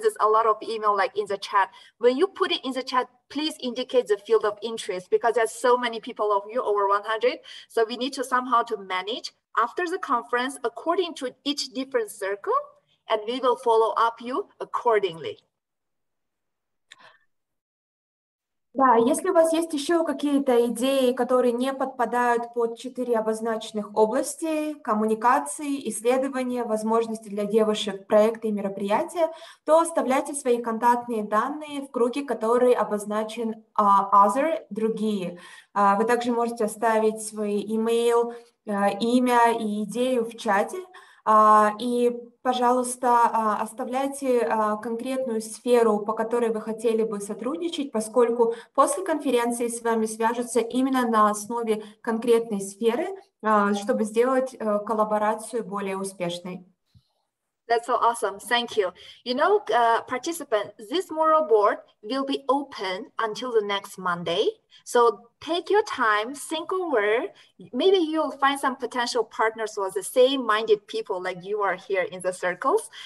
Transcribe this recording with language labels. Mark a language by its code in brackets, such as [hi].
[en] There's a lot of email like in the chat. When you put it in the chat, please indicate the field of interest because there's so many people of you, over 100. So we need to somehow to manage after the conference according to each different circle, and we will follow up you accordingly. [ru] Да, если у вас есть еще какие-то идеи, которые не подпадают под четыре обозначенных области – коммуникации, исследования, возможности для девушек, проекты и мероприятия, то оставляйте свои контактные данные в круге, который обозначен «other» – «другие». Вы также можете оставить свой email, имя и идею в чате. И, пожалуйста, оставляйте конкретную сферу, по которой вы хотели бы сотрудничать, поскольку после конференции с вами свяжутся именно на основе конкретной сферы, чтобы сделать коллаборацию более успешной. [en] That's so awesome. Thank you. You know, participants, this mural board will be open until the next Monday. So take your time, think over. Maybe you'll find some potential partners or the same-minded people like you are here in the circles.